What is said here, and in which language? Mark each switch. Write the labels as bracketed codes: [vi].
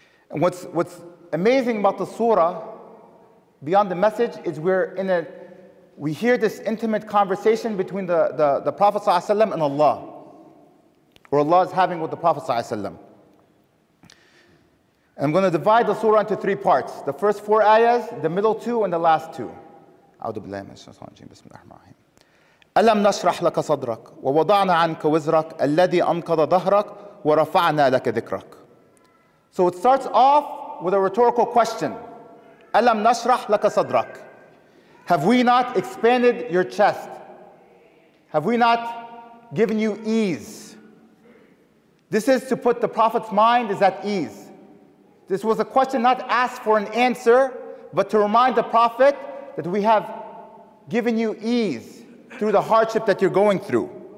[en] And what's amazing about the surah, beyond the message, is we hear this intimate conversation between the Prophet sallallahu alaihi wasallam and Allah, or Allah is having with the Prophet sallallahu alaihi wasallam. And I'm going to divide the surah into three parts: the first four ayahs, the middle two, and the last two. [ar] A'udhu billahi minash shaitanir rajeem. Bismillahir rahmanir rahim. ألم نشرح لك صدرك ووضعنا عنك وزرك الذي أنقض ظهرك ورفعنا لك ذكرك. [en] So it starts off with a rhetorical question. [ar] ألم نشرح لك صدرك. [en] Have we not expanded your chest? Have we not given you ease? This is to put the Prophet's mind is at ease. This was a question not asked for an answer, but to remind the Prophet that we have given you ease through the hardship that you're going through.